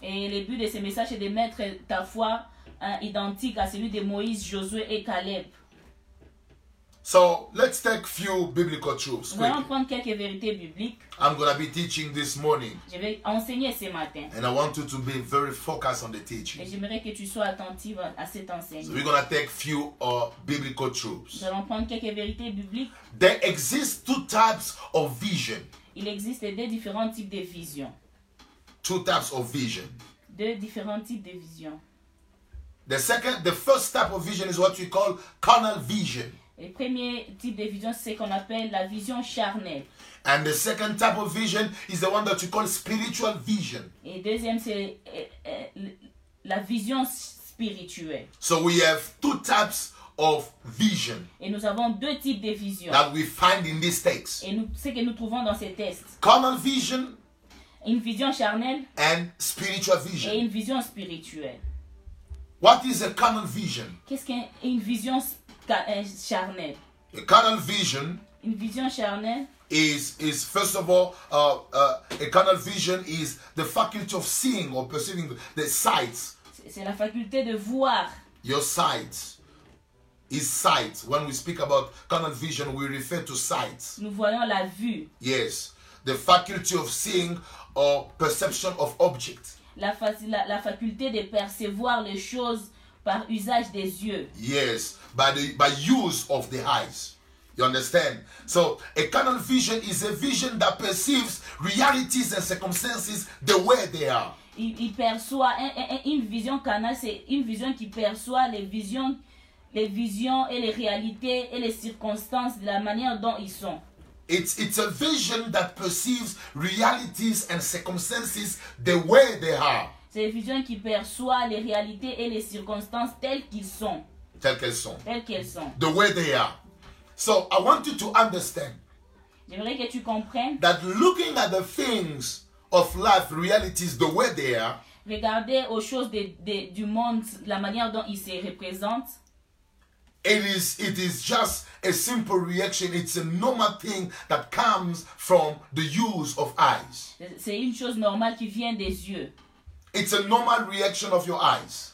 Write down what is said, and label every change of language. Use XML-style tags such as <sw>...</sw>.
<fr>Et le but de ce message est de mettre ta foi identique à celui de Moïse, Josué et Caleb.</fr> <en>So let's take a few biblical truths.</en> <fr>Nous allons prendre quelques vérités bibliques.</fr> <en>I'm going to be teaching this morning.</en> <fr>Je vais enseigner ce matin.</fr> <en>And I want you to be very focused on the teaching.</en> <fr>Et j'aimerais que tu sois attentive à cet enseignement.</fr> <en>So we're going to take a few biblical truths.</en> <fr>Nous allons prendre quelques vérités bibliques.</fr> <en>There exist two types of vision.</en> <fr>Il existe deux différents types de vision.</fr> <en>Two types of vision.</en> <fr>Deux différents types de vision.</fr> <en>The first type of vision is what we call carnal vision.</en> <fr>Le premier type de vision, c'est ce qu'on appelle la vision charnelle.</fr> <en>And the second type of vision is the one that you call spiritual vision.</en> <fr>Et deuxième, c'est la vision spirituelle.</fr> <en>So we have two types of vision.</en> <fr>Et nous avons deux types de vision.</fr> <en>That we find in this text.</en> <fr>Et nous, ce que nous trouvons dans ces textes.</fr> <en>Carnal vision.</en> <fr>Une vision charnelle.</fr> <en>And spiritual vision.</en> <fr>Et une vision spirituelle.</fr> <en>What is a carnal vision?</en> <fr>Qu'est-ce qu'une vision charnelle?</fr> <en>A carnal vision.</en> <fr>Une vision charnelle.</fr> <en>Is first of all a carnal vision is the faculty of seeing or perceiving the sights.</en> <fr>C'est la faculté de voir.</fr> <en>Your sight is sight. When we speak about carnal vision, we refer to sight.</en> <fr>Nous voyons la vue.</fr> <en>Yes, the faculty of seeing or perception of object.</en> <fr>La faculté de percevoir les choses par usage des yeux.</fr> <en>Yes, by use of the eyes. You understand? So, a carnal vision is a vision that perceives realities and circumstances the way they are.</en> <fr>Il perçoit une vision carnale, c'est une vision qui perçoit les visions et les réalités et les circonstances de la manière dont ils sont.</fr> <en>It's a vision that perceives realities and circumstances the way they are.</en> <fr>C'est une vision qui perçoit les réalités et les circonstances telles qu'ils sont. Telles qu'elles sont.</fr> <en>The way they are. So I want you to understand.</en> <fr>J'aimerais que tu comprennes.</fr> <en>That looking at the things of life, realities, the way they are.</en> <fr>Regarder aux choses du monde, la manière dont ils se représentent.</fr> <en>It is just a simple reaction. It's a normal thing that comes from the use of eyes.</en> <fr>C'est une chose normale qui vient des yeux.</fr> <en>It's a normal reaction of your eyes.</en>